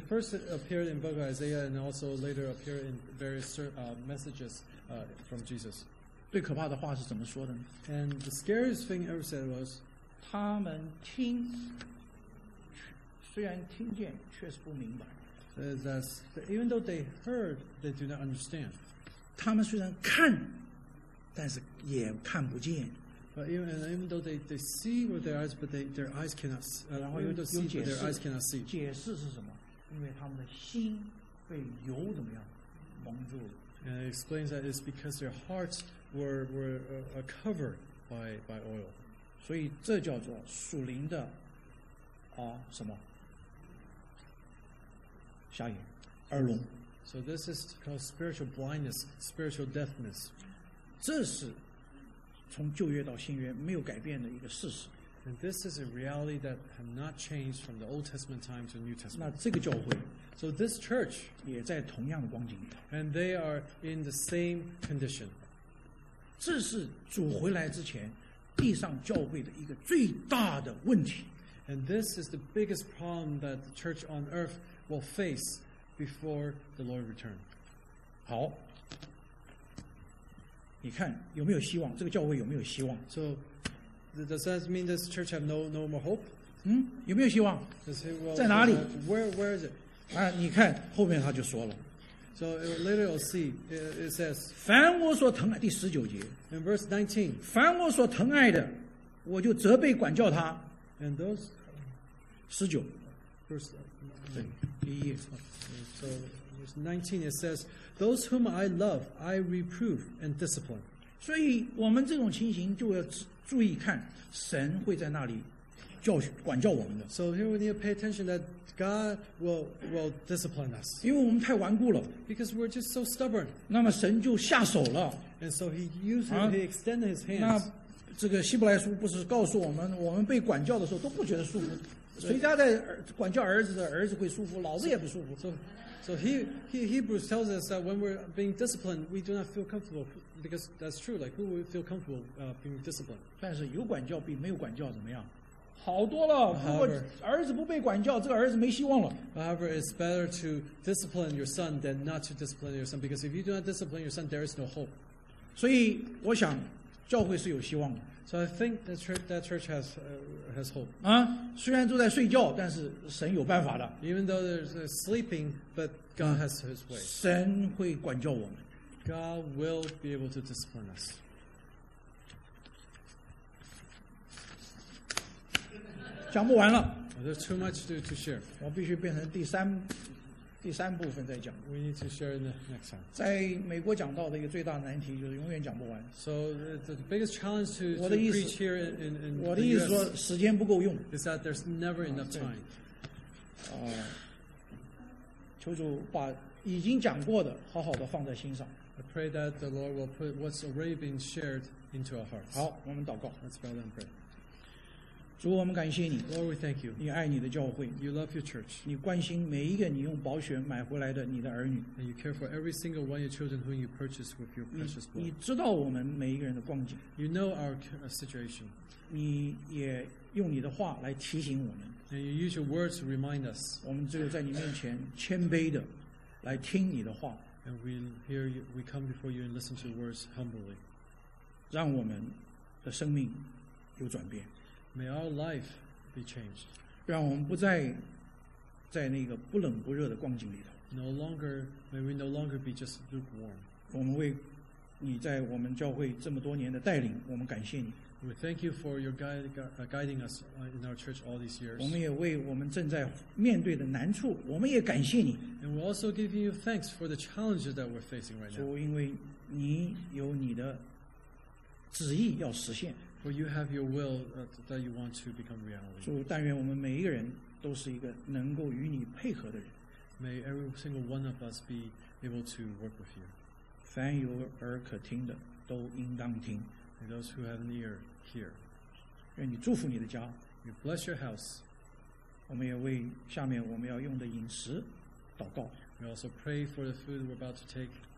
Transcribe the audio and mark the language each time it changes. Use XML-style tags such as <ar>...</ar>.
<en>The first appeared in Book of Isaiah and also later appeared in various messages from Jesus.</en> <zh>最可怕的话是怎么说的呢</zh> <en>？And the scariest thing ever said was,</en> <zh>他们听，虽然听见，却是不明白。</zh> <en>That even though they heard, they do not understand.</en> <zh>他们虽然看，但是也看不见。</zh> <en>But even though they see with their eyes, but their eyes cannot see.</en> <zh>然后又解释，</zh> <en>but their eyes cannot see.</en> <zh>解释是什么？因为他们的心被油怎么样蒙住了。</zh> <en>And it explains that it's because their hearts were covered by oil.</en> <zh>所以这叫做属灵的啊什么瞎眼耳聋。</zh> <en>So this is called spiritual blindness, spiritual deafness.</en> <zh>这是。从旧约到新约没有改变的一个事实。</zh> <en>And this is a reality that has not changed from the Old Testament time to New Testament.</en> <zh>那这个教会</zh> <en>，so this church</en> <zh>也在同样的光景里。</zh> <en>And they are in the same condition.</en> <zh>这是主回来之前地上教会的一个最大的问题。</zh> <en>And this is the biggest problem that the church on earth will face before the Lord returns.</en> <zh>好。你看有没有希望？这个教会有没有希望</zh> <en>？So does that mean this church have no more hope？</en> <zh>嗯，有没有希望？</zh> <en>Does it, well,</en> <zh>在哪里</zh> <en>？Where is it？</en> <zh>啊，你看后面他就说了。</zh> <en>So later you'll see it says，</en> <zh>凡我所疼爱第十九节</zh> <en>，in verse 19，</en> <zh>凡我所疼爱的，我就责备管教他。</zh> <en>And those</en> <zh>十九</zh> <en>，verse</en> <zh>对第一页。</zh> <en>So verse 19 it says。 Those whom I love, I reprove and discipline.</en> <zh>所以我们这种情形就要注意看，神会在那里教管教我们的。</zh> <en>So here we need to pay attention that God will discipline us.</en> <zh>因为我们太顽固了。</zh> <en>Because we're just so stubborn.</en> <zh>那么神就下手了。</zh> <en>And so he used him, he extended his hands.</en> <zh>那这个希伯来书不是告诉我们，我们被管教的时候都不觉得舒服？谁家在管教儿子的儿子会舒服，老子也不舒服。</zh> <en>So Hebrews tells us that when we're being disciplined, we do not feel comfortable because that's true. Like who would feel comfortable being disciplined?</en> <zh>但是有管教比没有管教怎么样？好多了。如果儿子不被管教，这个儿子没希望了。</zh> <en>However, it's better to discipline your son than not to discipline your son, because if you do not discipline your son, there is no hope.</en> <zh>所以我想，教会是有希望的。</zh> <en>So I think that church has, has hope.</en> <zh>啊，虽然都在睡觉，但是神有办法的。</zh> <en>Even though they're sleeping, but God has His way.</en> <zh>神会管教我们。</zh> <en>God will be able to discipline us. There's too much to share.</en> <zh>我必须变成第三部分再讲。</zh> <en>We need to share in the next time.</en> <zh>在美国讲到的一个最大难题就是永远讲不完。</zh> <en>So the biggest challenge to preach here in the US.</en> <zh>我的意思说时间不够用。</zh> <en>Is that there's never enough time.</en> <zh>求主把已经讲过的好好的放在心上。</zh> <en>I pray that the Lord will put what's already been shared into our hearts.</en> <zh>好，我们祷告。</zh> <en>Let's bow down and pray.</en> <zh>主，我们感谢你。</zh> <en>Lord, we thank you.</en> <zh>你爱你的教会。</zh> <en>You love your church.</en> <zh>你关心每一个你用宝血买回来的你的儿女。</zh> <en>And you care for every single one of your children whom you purchased with your precious blood.</en> <zh>你知道我们每一个人的光景。</zh> <en>You know our situation.</en> <zh>你也用你的话来提醒我们。</zh> <en>And you use your words to remind us.</en> <zh>我们只有在你面前谦卑的来听你的话。</zh> <en>And we hear you, we come before you and listen to your words humbly.</en> <zh>让我们的生命有转变。</zh> <en>May our life be changed.</en> <zh>让我们不再在那个不冷不热的光景里头。</zh> <en>No longer, may we no longer be just lukewarm.</en> <zh>我们为你在我们教会这么多年的带领，我们感谢你。</zh> <en>We thank you for your guiding us in our church all these years.</en> <zh>我们也为我们正在面对的难处，我们也感谢你。</zh> <en>And we also give you thanks for the challenges that we're facing right now.</en> <zh>主，因为你有你的旨意要实现。</zh> <en>For you have your will that you want to become reality.</en> <zh>主，但愿我们每一个人都是一个能够与你配合的人。</zh> <en>May every single one of us be able to work with you.</en> <zh>凡有耳可听的，都应当听。</zh> <en>May those who have an ear hear.</en> <zh>愿你祝福你的家。</zh> <en>You bless your house.</en> <zh>我们也为下面我们要用的饮食祷告。</zh> <en>We also pray for the food we're about to take.</en>